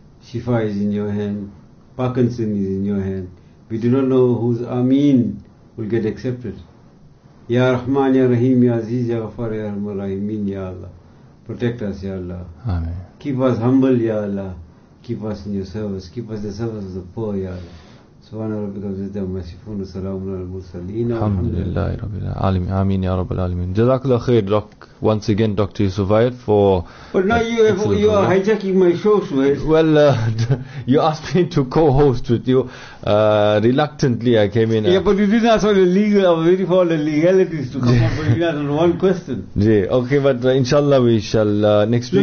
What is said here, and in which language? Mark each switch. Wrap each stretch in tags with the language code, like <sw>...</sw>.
<en>Shifa is in Your hand. Parkinson is in Your hand. We do not know whose Ameen will get accepted. Ya Rahman, Ya Rahim, Ya Aziz, Ya Ghaffar, Ya Rahman, Rahimin, Ya Allah. Protect us, Ya Allah. Amen. Keep us humble, Ya Allah. Keep us in Your service. Keep us in the service of the poor, Ya Allah.</en> <ar>سبحان ربك رب العزة عما يصفون وسلام على المرسلين الحمد لله رب العالمين آمين يا رب العالمين جزاك الله خير دوك</ar> <en>once again Dr. Suhail for but now you are hijacking my show Suhail. Well you asked me to co-host with you reluctantly I came in yeah but you didn't ask all the legal very for all the legalities to come up but you asked one question yeah okay but inshallah we shall next week</en>